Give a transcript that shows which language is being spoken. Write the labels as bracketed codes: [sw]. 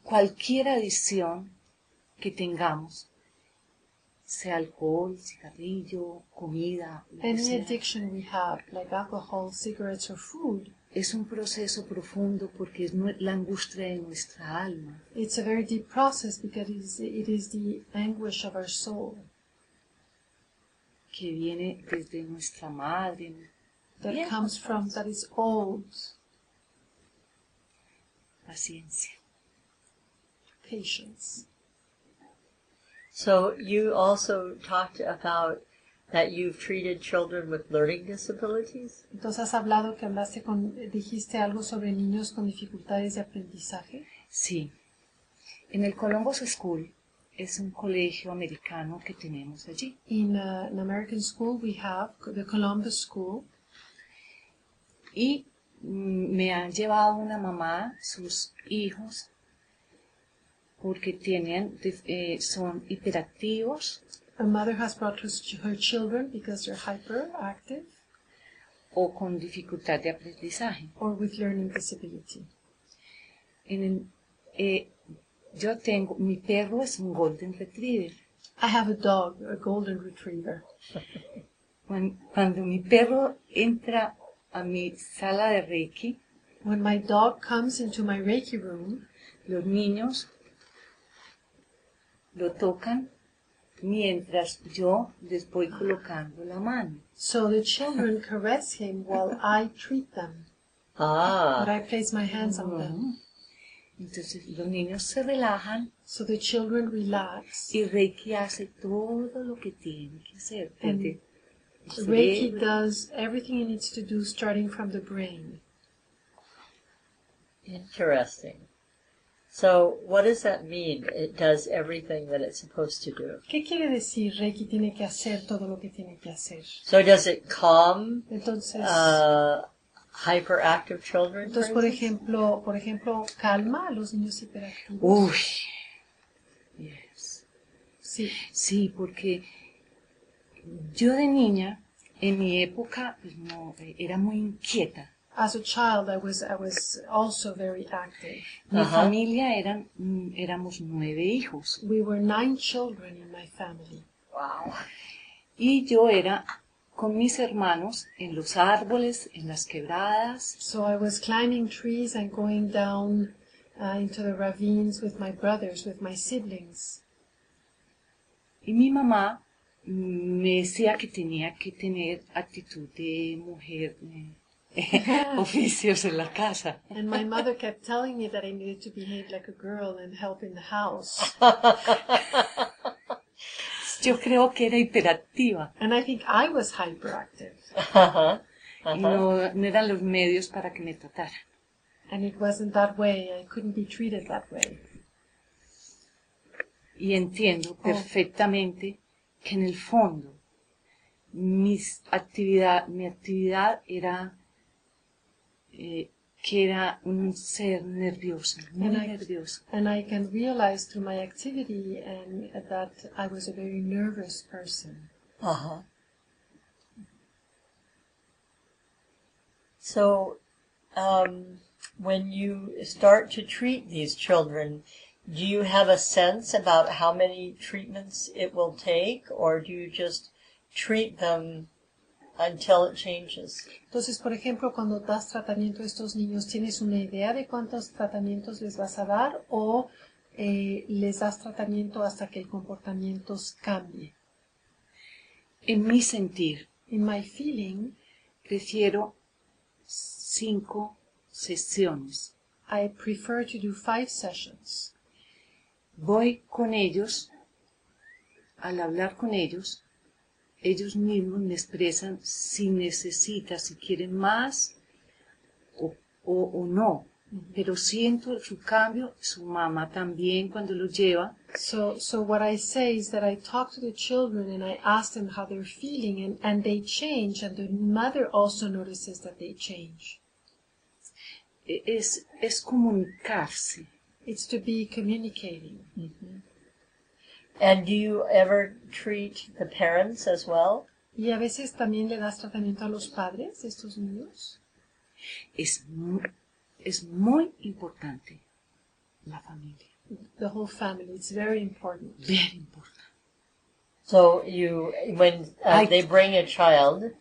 [es] cualquier adicción que tengamos, sea alcohol, cigarrillo, comida, [en] any [es] sea, [en] addiction we have, like alcohol, cigarettes or food. [es] Es un proceso profundo porque es la angustia de nuestra alma. [en] It's a very deep process because it is the anguish of our soul. [es] Que viene desde nuestra madre. [en] That yeah, comes from, that is old. [es] Paciencia. [en] Patience. So you also talked about that you've treated children with learning disabilities. [es] Entonces has hablado que hablaste con dijiste algo sobre niños con dificultades de aprendizaje. Sí. En el Columbus School es un colegio americano que tenemos allí. [en] In an American school we have the Columbus School. [es] Y me han llevado una mamá sus hijos porque tienen son hiperactivos. [en] A mother has brought her children because they're hyperactive. [es] O con dificultad de aprendizaje. [en] Or with learning disability. [es] Yo tengo, mi perro es un golden retriever. [en] I have a dog, a golden retriever. [es] Cuando mi perro entra a mi sala de Reiki, [en] when my dog comes into my Reiki room, [es] los niños lo tocan mientras yo les voy colocando la mano. [en] So the children caress him while I treat them. Ah. But I place my hands on them. [es] Entonces los niños se relajan. [en] So the children relax. [es] Y Reiki hace todo lo que tiene que hacer. [en] And Reiki does everything he needs to do starting from the brain. Interesting. So what does that mean? It does everything that it's supposed to do. [es] ¿Qué quiere decir Reiki tiene que hacer todo lo que tiene que hacer? [en] So does it calm? [es] Entonces, [en] hyperactive children. [es] Entonces, por ejemplo, calma a los niños hiperactivos. [en] Uy. Yes. [es] Sí. Sí, porque yo de niña, en mi época, pues no, era muy inquieta. [en] As a child, I was also very active. [es] Mi familia éramos 9 hijos. [en] We were 9 children in my family. Wow. [es] Y yo era con mis hermanos en los árboles, en las quebradas. [en] So I was climbing trees and going down into the ravines with my brothers, with my siblings. [es] Y mi mamá me decía que tenía que tener actitud de mujer, oficios en la casa. [en] And my mother kept telling me that I needed to behave like a girl and help in the house. [es] Yo creo que era hiperactiva. [en] And I think I was hyperactive. [es] No eran los medios para que me trataran. [en] And it wasn't that way. I couldn't be treated that way. [es] Y entiendo perfectamente que en el fondo mi actividad era que era un ser nervioso, nervioso. [en] And I can realize through my activity and that I was a very nervous person. Uh-huh. So, when you start to treat these children, do you have a sense about how many treatments it will take, or do you just treat them until it changes? [es] Entonces, por ejemplo, cuando das tratamiento a estos niños, ¿tienes una idea de cuántos tratamientos les vas a dar o les das tratamiento hasta que el comportamiento cambie? En mi sentir, [en] in my feeling, [es] prefiero 5 sesiones. [en] I prefer to do 5 sessions. [es] Voy con ellos, al hablar con ellos, ellos mismos me expresan si necesitan, si quieren más o no. Pero siento su cambio, su mamá también cuando lo lleva. [en] So what I say is that I talk to the children and I ask them how they're feeling and they change and the mother also notices that they change. [es] Es comunicarse. [en] It's to be communicating. Mm-hmm. And do you ever treat the parents as well? [es] ¿Y a veces también le das tratamiento a los padres de estos niños? Es muy importante la familia. [en] The whole family. It's very important. Very important. So you, when they bring a child.